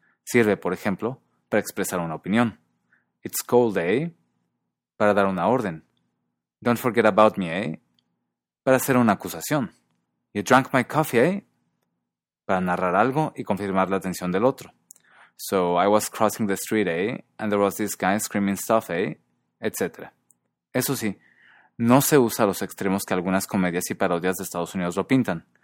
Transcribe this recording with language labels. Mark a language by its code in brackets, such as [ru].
[es] Sirve, por ejemplo, para expresar una opinión. [en] It's cold, eh? [es] Para dar una orden. [en] Don't forget about me, eh? [es] Para hacer una acusación. [en] You drank my coffee, eh? [es] Para narrar algo y confirmar la atención del otro. [en] So, I was crossing the street, eh? And there was this guy screaming stuff, eh? [es] Etc. Eso sí, no se usa a los extremos que algunas comedias y parodias de Estados Unidos lo pintan.